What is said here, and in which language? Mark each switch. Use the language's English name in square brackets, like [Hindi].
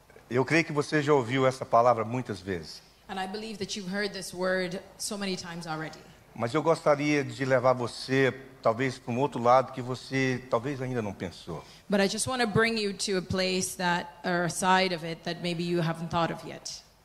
[Portuguese] Eu creio que você já ouviu essa palavra muitas vezes. [English] And I believe that you've heard this word so many times already. [Portuguese] Mas eu gostaria de levar você talvez para outro lado que você talvez ainda não pensou. [English] But I just want to bring you to a place that, or a side of it that maybe you haven't thought of yet.